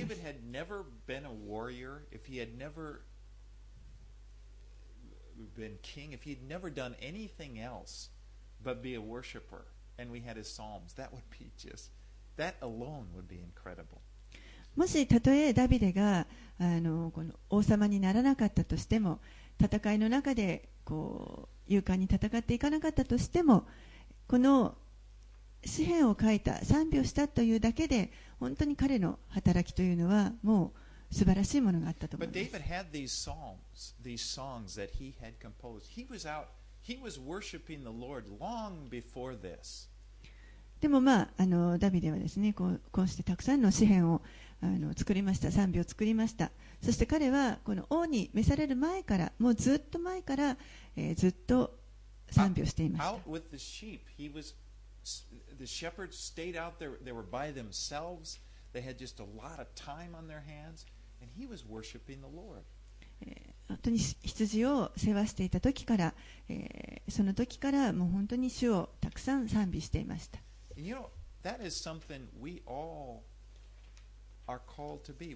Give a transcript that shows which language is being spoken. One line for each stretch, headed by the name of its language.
English: If David had never been a warrior, if he had never been king, if he had never done anything else but be a worshiper, and we had his psalms, that would be just, that alone would be incredible.
Japanese: もしたとえダビデがこの王様にならなかったとしても、戦いの中でこう勇敢に戦っていかなかったとしても、この詩篇を書いた賛美をしたというだけで本当に彼の働きというのはもう素晴らしいものがあったと思います。
English: But David had these psalms, these songs that he had composed. He was out, he was worshiping the Lord long before this.
Japanese: でもまあダビデはですね、こうしてたくさんの詩篇を作りました、賛美を作りました。そして彼はこの王に召される前から、もうずっと前から、ずっと賛美をしていました。
English: Out with the sheep, he was, the shepherds stayed out there, they were by themselves, they had just a lot of time on their hands, and he was worshiping the Lord.
Japanese: 本当に羊を世話していた時から、その時からもう本当に主をたくさん賛美していました。
English: And you know, that is something we all are called to be.